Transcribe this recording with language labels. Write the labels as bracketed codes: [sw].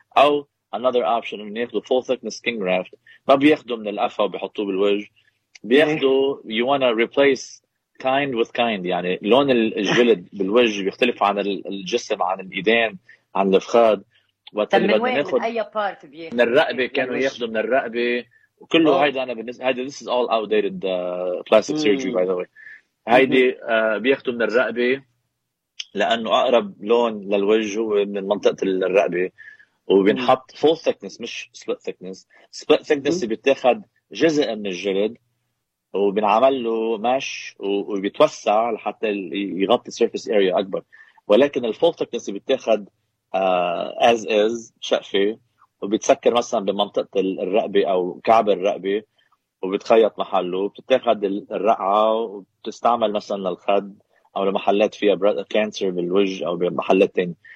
[ar] او انذر اوبشن انه ياخذوا فول ثيكنس سكين جرافت، ما بياخذوا من القفا وبيحطوه بالوجه، بياخذوا [en] you wanna replace kind with kind, [ar] يعني لون الجلد بالوجه بيختلف عن الجسم، عن الايدين، عن الفخاد. طيب من وين، من اي بارت بيه؟ من الرقبة، كانوا ياخذوا من الرقبة وكله. هيدا انا بالنسبة هيدا [en] this is all outdated plastic surgery by the way. [ar] هيدي بياخذوا من الرقبة لانه اقرب لون للوجه هو من منطقة الرقبة، وبنحط full thickness مش split thickness. split thickness بيتاخد جزء من الجلد وبنعمل له mesh وبيتوسع لحتى يغطي surface area اكبر، ولكن الفول thickness بيتاخد as is شقفي، وبتسكر مثلا بمنطقة الرقبة أو كعب الرقبة وبتخيط محله، وبتتاخد الرقعة وبتستعمل مثلا للخد أو لمحلات فيها كانسر بالوجه أو بمحلات تانية.